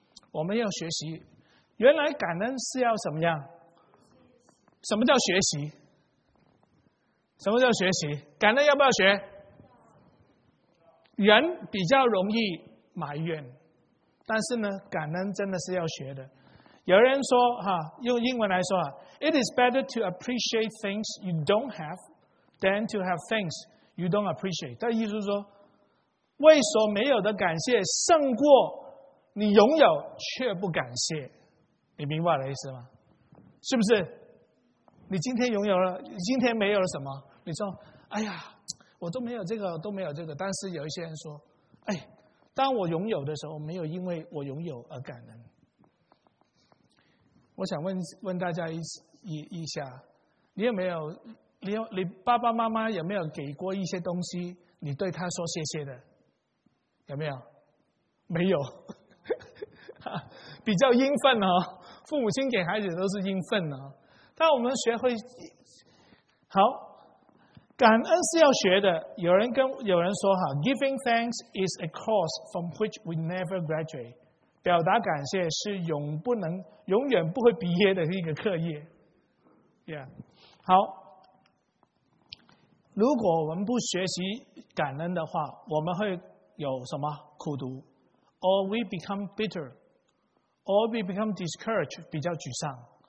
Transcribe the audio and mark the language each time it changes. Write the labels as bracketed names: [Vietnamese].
[Chinese] 我们要学习，原来感恩是要什么样？什么叫学习？什么叫学习？感恩要不要学？人比较容易埋怨，但是呢，感恩真的是要学的。有人说，用英文来说， [English] It is better to appreciate things you don't have than to have things you don't appreciate。 [Chinese] 他意思是说，为所没有的感谢胜过你拥有却不感谢。你明白我的意思吗？是不是？你今天拥有了，今天没有了什么，你说哎呀，我都没有这个，都没有这个。但是有一些人说，哎，当我拥有的时候，没有因为我拥有而感恩。我想问大家一下，你有没有 你爸爸妈妈有没有给过一些东西你对他说谢谢的？有没有？没有比较应分，父母亲给孩子都是应分，但我们学会好感恩是要学的。有人说哈 [English] ，Giving thanks is a course from which we never graduate。 [Chinese] 表达感谢是永远不会毕业的一个课业。 Yeah， 好。如果我们不学习感恩的话，我们会有什么苦读 ？ [English] Or we become bitter, or we become discouraged， [Chinese] 比较沮丧。